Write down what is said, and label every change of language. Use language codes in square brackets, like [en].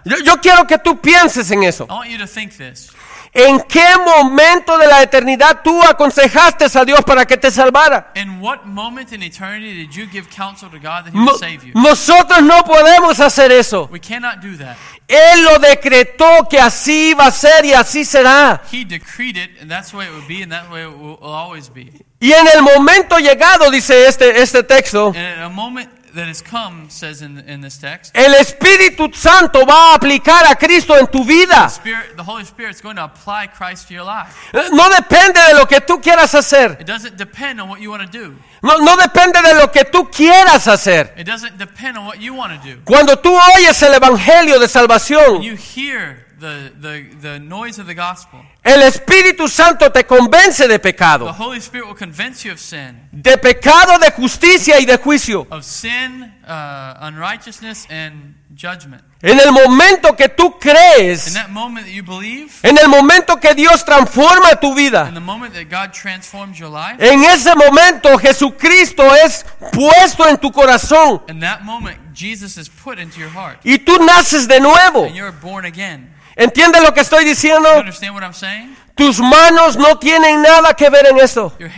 [es] Yo quiero que tú pienses en eso. [en] I want you to think this. [es] ¿En qué momento de la eternidad tú aconsejaste a Dios para que te salvara? [en] In what moment in eternity did you give counsel to God that he would save you? [es] Nosotros no podemos hacer eso. [en] We cannot do that. [es] Él lo decretó que así iba a ser y así será. [en] He decreed it, and that's the way it would be, and that way it will always be. [es] Y en el momento llegado, dice este texto, [en] in a moment that has come, says in this text. [es] El Espíritu Santo va a aplicar a Cristo en tu vida. [en] The Holy Spirit is going to apply Christ to your life. [es] No depende de lo que tú quieras hacer. [en] It doesn't depend on what you want to do. [es] No depende de lo que tú quieras hacer. [en] It doesn't depend on what you want to do. [es] Cuando tú oyes el Evangelio de salvación, [en] when you hear the noise of the gospel, [es] el Espíritu Santo te convence de pecado. [en] The Holy Spirit will convince you of sin. [es] De pecado, de justicia y de juicio. [en] Of sin, unrighteousness and judgment. [es] En el momento que tú crees, [en] in that moment that you believe, [es] en el momento que Dios transforma tu vida, [en] in the moment that God transforms your life, [es] en ese momento Jesucristo es puesto en tu corazón. [en] In that moment Jesus is put into your heart. [es] Y tú naces de nuevo. [en] And you're born again. [es] ¿Entiendes lo que estoy diciendo? Tus manos no tienen nada que ver en esto.